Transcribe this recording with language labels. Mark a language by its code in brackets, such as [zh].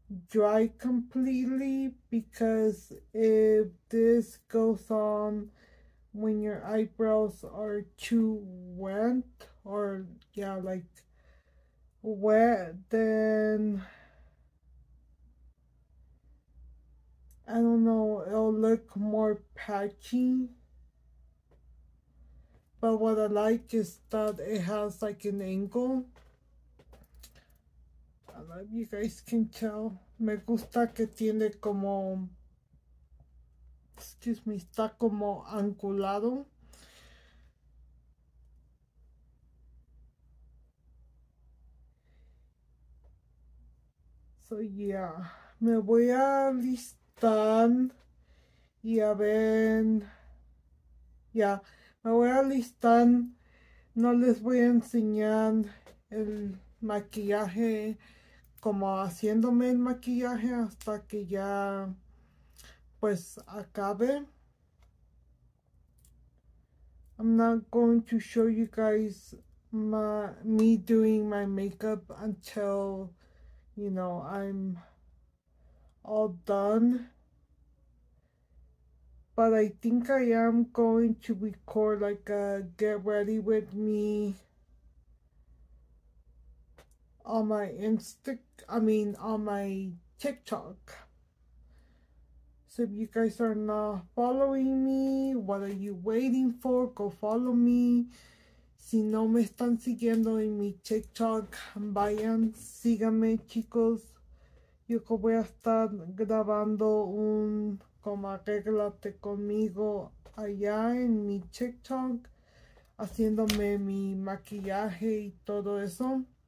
[en] dry completely, because if this goes on when your eyebrows are too wet, or yeah, like wet, then I don't know, it'll look more patchy. But what I like is that it has like an angle. I don't know if you guys can tell. [es] Me gusta que tiene como, [en] excuse me, [es] está como angulado. [en] So yeah, [es] me voy a listar y a ver. [en] Yeah, [es] me voy a listar. No les voy a enseñar el maquillaje, como haciéndome el maquillaje, hasta que ya pues acabe. [en] I'm not going to show you guys me doing my makeup until, you know, I'm all done. But I think I am going to record like a get ready with me on my TikTok. So if you guys are not following me, what are you waiting for? Go follow me. [es] Si no me están siguiendo en mi TikTok, vayan, síganme, chicos. Yo que voy a estar grabando un como arreglate conmigo allá en mi TikTok, haciéndome mi maquillaje y todo eso.